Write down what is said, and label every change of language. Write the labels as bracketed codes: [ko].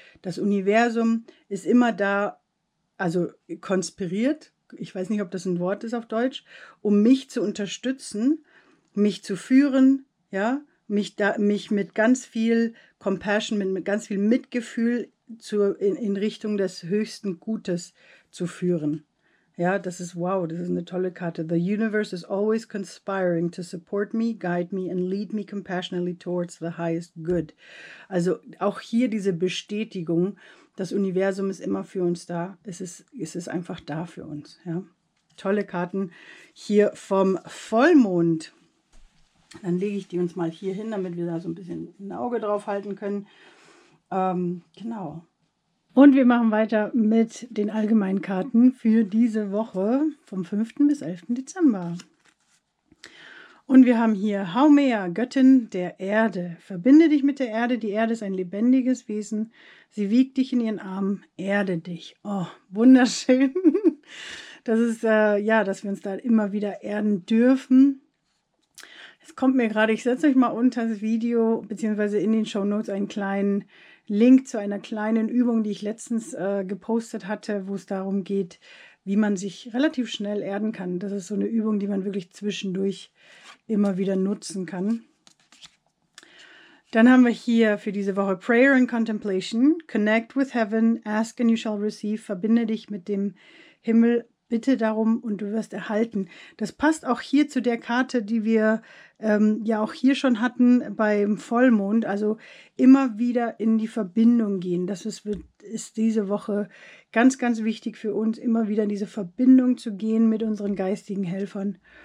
[de] Das Universum ist immer da, also konspiriert, ich weiß nicht, ob das ein Wort ist auf Deutsch, um mich zu unterstützen, mich zu führen, ja, mich mit ganz viel Compassion, mit ganz viel Mitgefühl in Richtung des höchsten Gutes zu führen. Ja, das ist wow, das ist eine tolle Karte. [en] The universe is always conspiring to support me, guide me and lead me compassionately towards the highest good. [de] Also auch hier diese Bestätigung, das Universum ist immer für uns da. Es ist einfach da für uns. Ja? Tolle Karten hier vom Vollmond. Dann lege ich die uns mal hier hin, damit wir da so ein bisschen ein Auge drauf halten können. Genau. Und wir machen weiter mit den allgemeinen Karten für diese Woche vom 5. bis 11. Dezember. Und wir haben hier Haumea, Göttin der Erde. Verbinde dich mit der Erde. Die Erde ist ein lebendiges Wesen. Sie wiegt dich in ihren Armen. Erde dich. Oh, wunderschön. Das ist, ja, dass wir uns da immer wieder erden dürfen. Es kommt mir gerade, ich setze euch mal unter das Video beziehungsweise in den Shownotes einen kleinen Link zu einer kleinen Übung, die ich letztens gepostet hatte, wo es darum geht, wie man sich relativ schnell erden kann. Das ist so eine Übung, die man wirklich zwischendurch immer wieder nutzen kann. Dann haben wir hier für diese Woche [en] Prayer and Contemplation. Connect with heaven, ask and you shall receive. [de] Verbinde dich mit dem Himmel, bitte darum und du wirst erhalten. Das passt auch hier zu der Karte, die wir ja auch hier schon hatten beim Vollmond. Also immer wieder in die Verbindung gehen. Das ist diese Woche ganz, ganz wichtig für uns, immer wieder in diese Verbindung zu gehen mit unseren geistigen Helfern.